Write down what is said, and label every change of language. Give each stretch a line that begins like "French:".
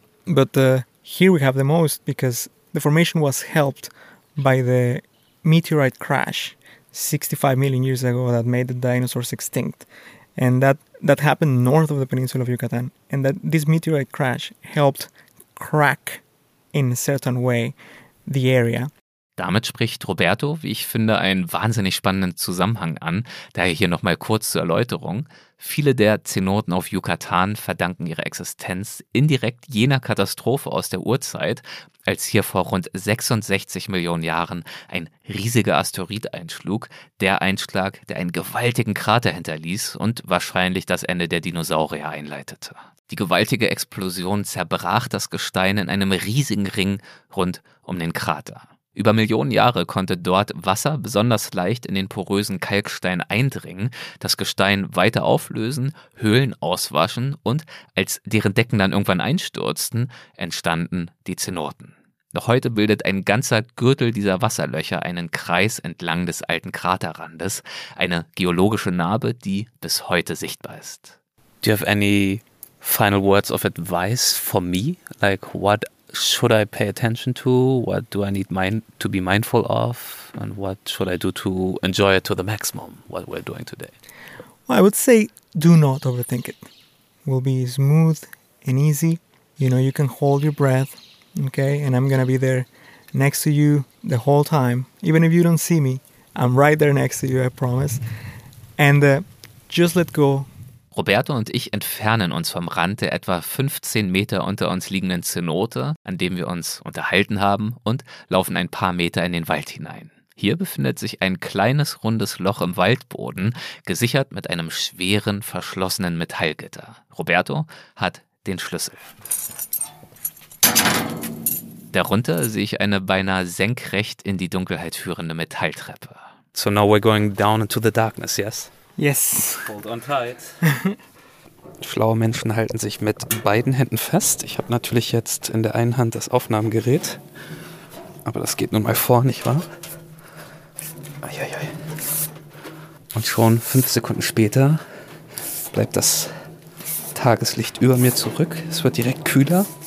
English: But here we have the most because the formation was helped by the meteorite crash 65 million years ago that made the dinosaurs extinct. And that happened north of the peninsula of Yucatan. And that this meteorite crash helped crack in a certain way the area.
German: Damit spricht Roberto, wie ich finde, einen wahnsinnig spannenden Zusammenhang an. Daher hier nochmal kurz zur Erläuterung. Viele der Zenoten auf Yucatan verdanken ihre Existenz indirekt jener Katastrophe aus der Urzeit, als hier vor rund 66 Millionen Jahren ein riesiger Asteroid einschlug, der Einschlag, der einen gewaltigen Krater hinterließ und wahrscheinlich das Ende der Dinosaurier einleitete. Die gewaltige Explosion zerbrach das Gestein in einem riesigen Ring rund um den Krater. Über Millionen Jahre konnte dort Wasser besonders leicht in den porösen Kalkstein eindringen, das Gestein weiter auflösen, Höhlen auswaschen und als deren Decken dann irgendwann einstürzten, entstanden die Zenoten. Noch heute bildet ein ganzer Gürtel dieser Wasserlöcher einen Kreis entlang des alten Kraterrandes, eine geologische Narbe, die bis heute sichtbar ist.
English: Do you have any final words of advice for me? Like what should I pay attention to? What do I need to be mindful of? And what should I do to enjoy it to the maximum, what we're doing today? Well, I would say do not overthink it. It will be smooth and easy. You know, you can hold your breath, okay? And I'm going to be there next to you the whole time. Even if you don't see me, I'm right there next to you, I promise. And just let go.
German: Roberto und ich entfernen uns vom Rand der etwa 15 Meter unter uns liegenden Zenote, an dem wir uns unterhalten haben, und laufen ein paar Meter in den Wald hinein. Hier befindet sich ein kleines rundes Loch im Waldboden, gesichert mit einem schweren, verschlossenen Metallgitter. Roberto hat den Schlüssel. Darunter sehe ich eine beinahe senkrecht in die Dunkelheit führende Metalltreppe.
English: So now we're going down into the darkness, yes? Yes. Hold on tight.
German: Schlaue Menschen halten sich mit beiden Händen fest. Ich habe natürlich jetzt in der einen Hand das Aufnahmegerät. Aber das geht nun mal vor, nicht wahr? Eieiei. Und schon 5 Sekunden später bleibt das Tageslicht über mir zurück. Es wird direkt kühler.